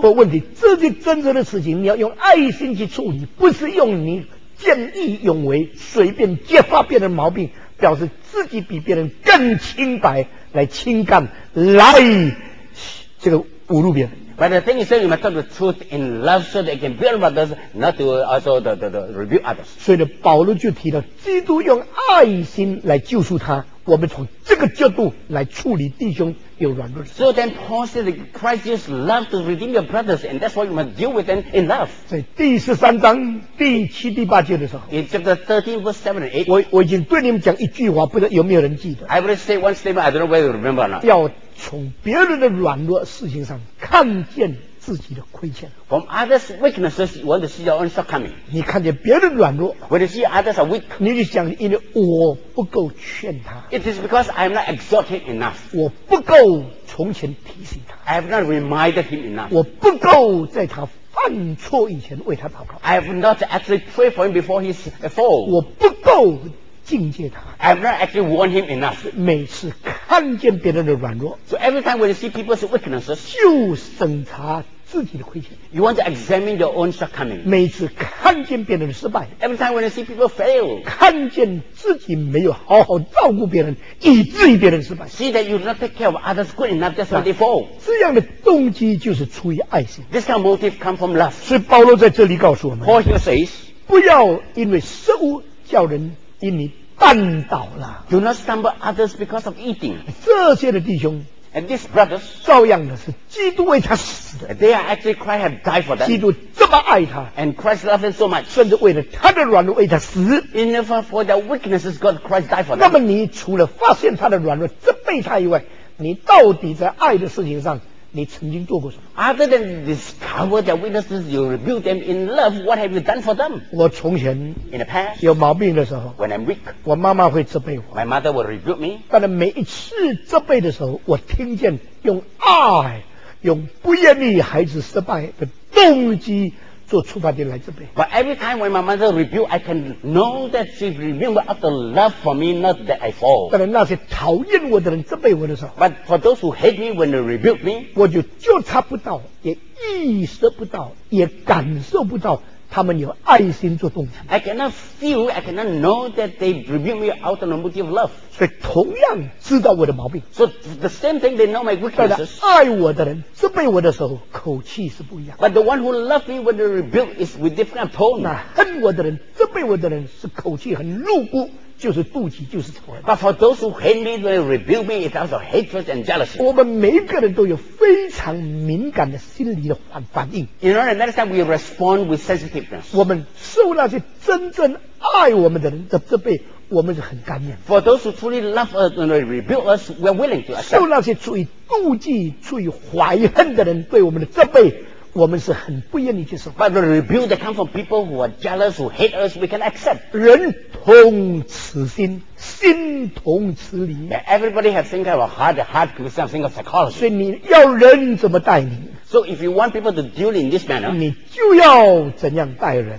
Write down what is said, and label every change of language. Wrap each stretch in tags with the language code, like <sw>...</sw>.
<zh>不，问题，这些真实的事情你要用爱心去处理，不是用你见义勇为随便揭发别人毛病，表示自己比别人更清白来清干，来这个侮辱别人。</zh> <en>But the thing is that you must tell the truth in love so that you can build others, not to also the rebuke others.</en> <zh>所以保罗就提到基督用爱心来救赎他，我们从这个角度来处理弟兄有软弱的。</zh> <en>So then Paul said that Christ used love to redeem your brothers, and that's why you must deal with them in love.</en> <zh>在第十三章第七第八节的时候，</zh> <en>In chapter 13 verse 7 and 8,</en> <zh>我已经对你们讲一句话，不知道有没有人记得。</zh> <en>I will say one statement, I don't know whether you remember or not.</en> <zh>要从别人的软弱事情上看见自己的亏欠。</zh> <en>From others' weaknesses, you want to see your own shortcoming.</en> <zh>你看见别人软弱，</zh> <en>When you see others are weak,</en> <zh>你就想，因为我不够劝他。</zh> <en>It is because I'm not exhorting enough.</en> <zh>我不够从前提醒他。</zh> <en>I have not reminded him enough.</en> <zh>我不够在他犯错以前为他祷告。</zh> <en>I have not actually prayed for him before his fall.</en> <zh>我不够警戒他。</zh> <en>I'm not actually warning him enough.</en> <zh>每次看见别人的软弱，</zh> <en>So every time when you see people's weaknesses,</en> <zh>就审查自己的亏欠。</zh> <en>You want to examine your own shortcoming.</en> <zh>每次看见别人的失败，</zh> <en>Every time when you see people fail,</en> <zh>看见自己没有好好照顾别人，以至于别人失败。</zh> <en>See that you do not take care of others good enough, that's why they fall.</en> <zh>这样的动机就是出于爱心。</zh> <en>This kind of motive comes from love.</en> <zh>所以保罗在这里告诉我们，</zh> <en>Paul here says,</en> <zh>不要因为食物叫人因你绊倒了。</zh> <en>Do not stumble others because of eating.</en> <zh>这些的弟兄，</zh> <en>And these brothers,</en> <zh>照样的是基督为他死的。</zh> <en>They are actually Christ have died for them.</en> <zh>基督这么爱他，</zh> <en>And Christ loves them so much.</en> <zh>甚至为了他的软弱为他死。</zh> <en>In order for their weaknesses, God Christ died for them.</en> <zh>那么你除了发现他的软弱责备他以外，你到底在爱的事情上你曾经做过什么？</zh> <en>Other than discover their weaknesses, you rebuild them in love. What have you done for them?</en> <zh>我从前</zh> <en>in the past</en> <zh>有毛病的时候，</zh> <en>when I'm weak,</en> <zh>我妈妈会责备我，</zh> <en>my mother will rebuke me.</en> <zh>但是每一次责备的时候，我听见用爱，用不愿意孩子失败的动机做出发点来责备。</zh> <en>But every time when my mother rebuke, I can know that she remember of the love for me, not that I fall.</en> <zh>但是那些讨厌我的人责备我的时候，</zh> <en>But for those who hate me when they rebuke me,</en> <zh>我就觉察不到，也意识不到，也感受不到他们有爱心做动机。</zh> <en>I cannot feel, I cannot know that they rebuke me out of the motive of love.</en> <zh>所以同样知道我的毛病，</zh> <en>So the same thing, they know my weaknesses.</en> <zh>但是爱我的人责备我的时候口气是不一样，</zh> <en>But the one who loves me when they rebuke is with different tone.</en> <zh>那恨我的人责备我的人是口气很怒骨，就是妒忌，就是仇恨。</zh> <en>But for those who hate me when they rebuke me, it's also hatred and jealousy.</en> <zh>我们每个人都有非常敏感的心理的反应。</zh> <en>In order to understand, we respond with sensitiveness.</en> <zh>我们受那些真正爱我们的人的责备，我们是很甘愿。</zh> <en>For those who truly love us when they rebuke us, we are willing to accept.</en> <zh>受那些出于妒忌、出于怀恨的人对我们的责备，我们是很不愿意接受。</zh> <en>But the rebuke that comes from people who are jealous, who hate us, we can accept.</en> <zh>人同此心，心同此理。</zh> <en>Yeah, everybody has think of a heart, the heart can be something of psychology.</en> <zh>所以你要人怎么待你？</zh> <en>So if you want people to deal in this manner,</en> <zh>你就要怎样待人？</zh>